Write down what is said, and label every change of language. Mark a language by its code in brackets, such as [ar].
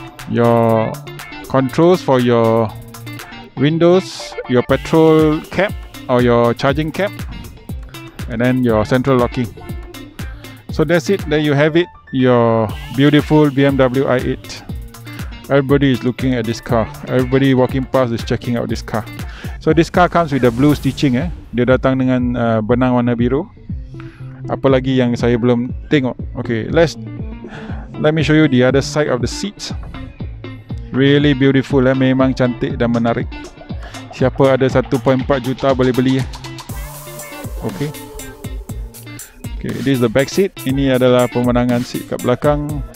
[en] Your controls for your windows, your petrol cap or your charging cap, and then your central locking. So that's it. There you have it. Your beautiful BMW i8. Everybody is looking at this car. Everybody walking past is checking out this car. So this car comes with the blue stitching . [ms] Dia datang dengan benang warna biru. Apa lagi yang saya belum tengok? [en] Okay, let me show you the other side of the seats. Really beautiful [ms] . Memang cantik dan menarik. Siapa ada 1.4 juta boleh beli . [en] Okay, this is the back seat. [ms] Ini adalah pemandangan seat kat belakang.